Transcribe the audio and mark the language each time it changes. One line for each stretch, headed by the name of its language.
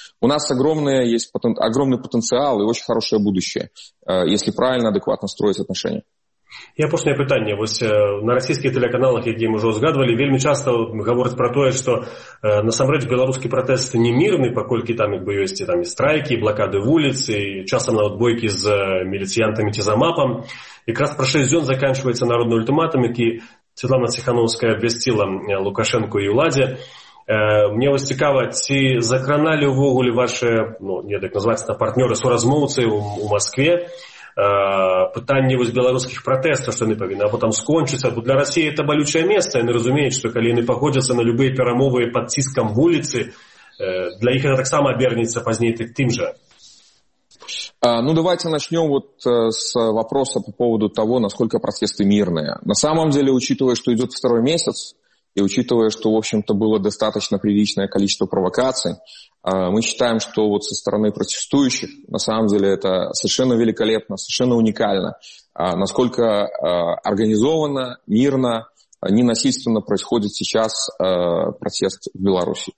Russian: У нас огромный потенциал и очень хорошее будущее, если правильно, адекватно строить отношения.
Belarusian: Я апошнее пытанне, вось на расійскіх тэлеканалах, якія мы ўжо згадвалі, вельмі часта гавораць пра тое, што насамрэч беларускі пратэст не мірны, паколькі там як бы ёсць там і страйкі, і блакады вуліц, і часам нават бойкі з міліцыянтамі ці замапам. Якраз пра 6 дзён заканчваецца народны ультыматум, які Светлана Ціхановская абвясціла Лукашэнку і ўладзе. Мне вось цікава, ці закраналі ўвогуле вашы, партнёры, суразмоўцы ў Маскве. Пытанне вось беларускіх пратэстаў, што яны павінны або там скончыцца, бо для Расіі это балючае месца, яны разумеюць, што калі яны паходзяцца на любыя перамовы пад ціскам вуліцы, для іх гэта таксама абернецца пазней тым жа.
Russian: Ну давайте начнём вот с вопроса по поводу того, насколько протесты мирные. На самом деле, учитывая, что идёт второй месяц, и учитывая, что, в общем-то, было достаточно приличное количество провокаций, мы считаем, что вот со стороны протестующих, на самом деле, это совершенно великолепно, совершенно уникально, насколько организованно, мирно, ненасильственно происходит сейчас протест в Беларуси.